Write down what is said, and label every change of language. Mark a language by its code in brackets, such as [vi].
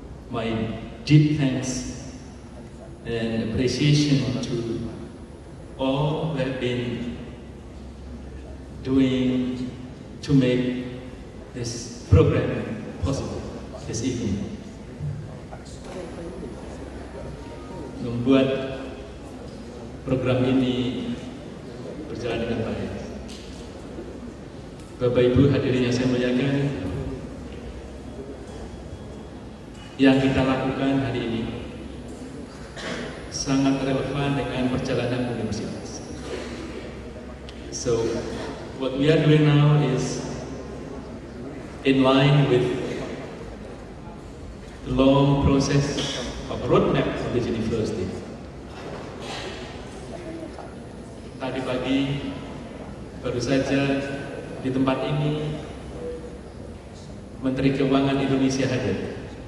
[en] my deep thanks and appreciation to all who have been doing to make this program possible this evening. [id] Membuat program ini berjalan dengan baik. Bapak Ibu hadirin yang saya muliakan, yang kita lakukan hari ini sangat relevan dengan perjalanan universitas. [en] So, what we are doing now is in line with the long process of roadmap of the university. [id] Tadi pagi, baru saja di tempat ini, Menteri Keuangan Indonesia hadir.